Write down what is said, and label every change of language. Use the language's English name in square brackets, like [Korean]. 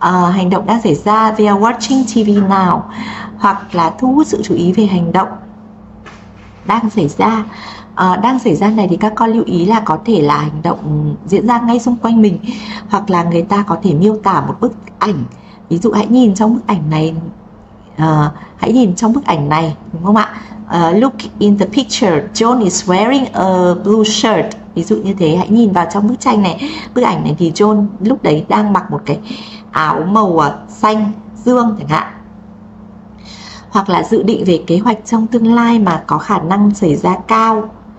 [Vietnamese] Hành động đang xảy ra, [English] they are watching TV now, [Vietnamese] hoặc là thu hút sự chú ý về hành động đang xảy ra. Đang xảy ra này thì các con lưu ý là có thể là hành động diễn ra ngay xung quanh mình, hoặc là người ta có thể miêu tả một bức ảnh. Ví dụ hãy nhìn trong bức ảnh này. Hãy nhìn trong bức ảnh này, đúng không ạ? [English] Look in the picture, John is wearing a blue shirt. [Vietnamese] Ví dụ như thế, hãy nhìn vào trong bức tranh này. Bức ảnh này thì John lúc đấy đang mặc một cái áo màu xanh dương chẳng hạn. Hoặc là dự định về kế hoạch trong tương lai mà có khả năng xảy ra cao.